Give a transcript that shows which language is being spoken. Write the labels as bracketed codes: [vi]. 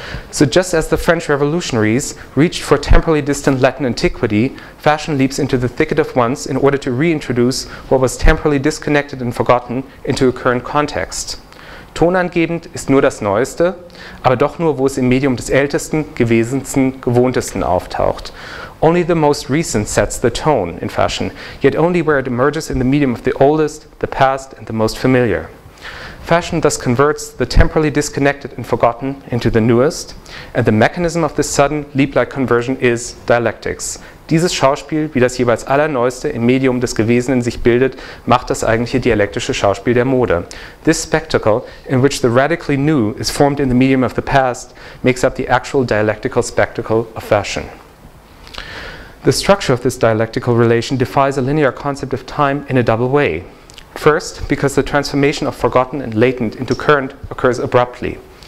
[en] So just as the French revolutionaries reached for temporally distant Latin antiquity, fashion leaps into the thicket of once in order to reintroduce what was temporally disconnected and forgotten into a current context. [de] Tonangebend ist nur das Neueste, aber doch nur, wo es im Medium des Ältesten, Gewesensten, Gewohntesten auftaucht. [en] Only the most recent sets the tone in fashion, yet only where it emerges in the medium of the oldest, the past, and the most familiar. Fashion thus converts the temporally disconnected and forgotten into the newest, and the mechanism of this sudden leap-like conversion is dialectics. [de] Dieses Schauspiel, wie das jeweils Allerneueste im Medium des Gewesenen sich bildet, macht das eigentliche dialektische Schauspiel der Mode. [en] This spectacle, in which the radically new is formed in the medium of the past, makes up the actual dialectical spectacle of fashion. The structure of this dialectical relation defies a linear concept of time in a double way. First, because the transformation of forgotten and latent into current occurs abruptly.